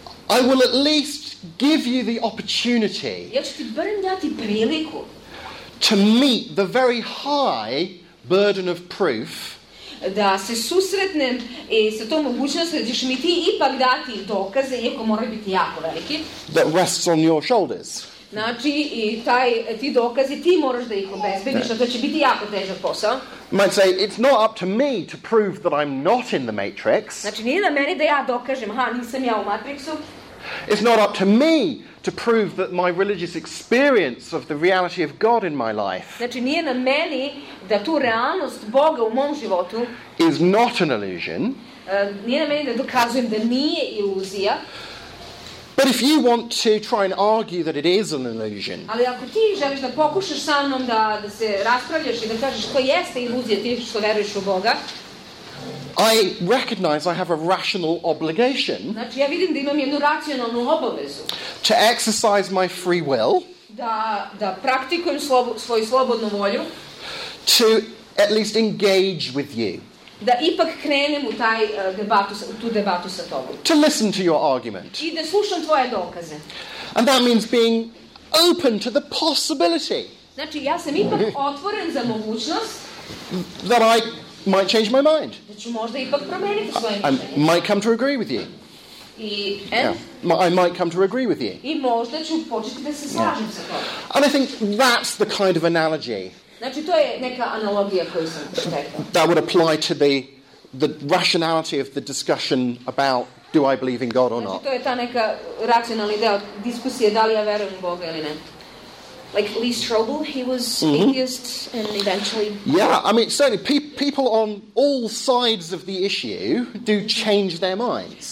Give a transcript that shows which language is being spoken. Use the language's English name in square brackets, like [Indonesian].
[English] I will at least give you the opportunity. [Serbian] Ja ću ti barem dati priliku. [English] To meet the very high burden of proof. [Serbian] Da se susretnem i sa tom mogućnosti da ćeš mi ti ipak dati dokaze, iako moraju biti jako veliki. [English] That rests on your shoulders. [Serbian] Znači, i ti dokazi, ti moraš da ih obezbediš, to će biti jako težak posao. [English] Might say, it's not up to me to prove that I'm not in the Matrix. [Serbian] Znači, nije na meni da ja dokažem, ha, nisam ja u Matrixu. [English] It's not up to me to prove that my religious experience of the reality of God in my life. [Serbian] Znači, nije na meni da tu realnost Boga u mom životu [English] is not an illusion. [Serbian] Nije na meni da dokazujem da nije iluzija. [English] But if you want to try and argue that it is an illusion. [Serbian] Ali ako ti želiš da pokušaš sa mnom da se raspravljaš i da kažeš što jeste iluzija ti što veruješ u Boga. [English] I recognize I have a rational obligation. [Serbian] Znači ja vidim da imam jednu racionalnu obavezu. [English] To exercise my free will. [Serbian] Da praktikujem svoju slobodnu volju. [English] To at least engage with you. [Serbian] Da ipak krenem u taj debatu sa tobom. [English] To listen to your argument. [Serbian] I da slušam tvoje dokaze. [English] And that means being open to the possibility. [Serbian] Znači ja sam ipak otvoren za mogućnost [English] that I might change my mind. [Serbian] Da ću možda ipak promeniti svoje mišljenje. [English] I might come to agree with you. I might come to agree with you. [Serbian] I možda ću početi da se slažem sa tobom. [English] And I think that's the kind of analogy. [Serbian] Znači, to je neka analogija koju sam rekao. [English] That would apply to the rationality of the discussion about do I believe in God or [Serbian] znači, [English] not. [Serbian] To je ta neka racionalni deo diskusije da li ja verujem u Boga ili ne. [English] like Lee Strobel, he was atheist and eventually... Yeah, I mean, certainly people on all sides of the issue do change their minds.